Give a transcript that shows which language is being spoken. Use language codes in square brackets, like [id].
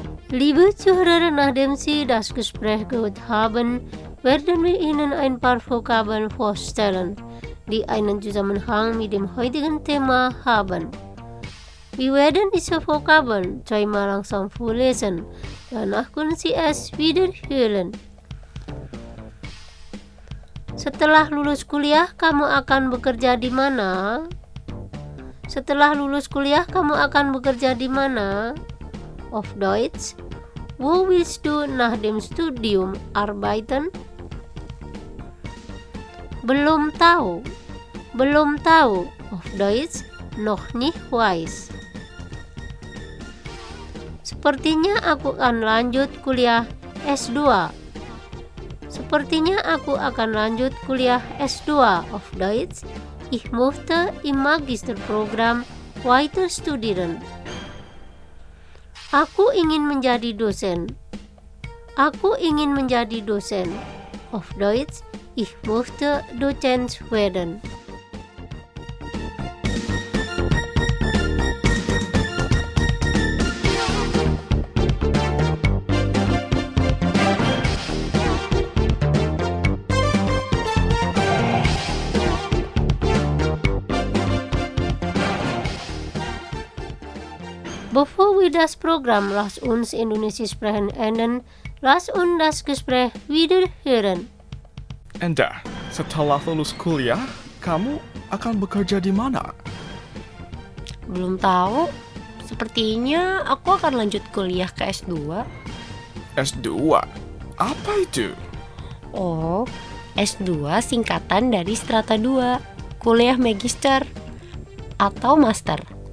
[de] Liebe Zuhörer, nachdem Sie das Gespräch gehört haben, werden wir Ihnen ein paar Vokabeln vorstellen, die einen Zusammenhang mit dem heutigen Thema haben. Wir werden diese Vokabeln zweimal langsam vorlesen, danach können Sie es wiederhören. [id] Setelah lulus kuliah, kamu akan bekerja di mana? Setelah lulus kuliah, kamu akan bekerja di mana? [de] Auf Deutsch. Wo willst du nach dem Studium arbeiten? [id] Belum tahu. Belum tahu. [de] Auf Deutsch, noch nicht weiß. [id] Sepertinya aku akan lanjut kuliah S2. Sepertinya aku akan lanjut kuliah S2. [de] Auf Deutsch, ich möchte im Magisterprogramm weiter studieren. [id] Aku ingin menjadi dosen. Aku ingin menjadi dosen. [de] Auf Deutsch, ich möchte Dozent werden. Bevor wir das Programm Lass uns Indonesisch sprechen enden, lass uns das Gespräch wieder hören. [id] Endah, setelah lulus kuliah, kamu akan bekerja di mana? Belum tahu. Sepertinya aku akan lanjut kuliah ke S2. S2? Apa itu? Oh, S2 singkatan dari strata 2, kuliah magister atau master.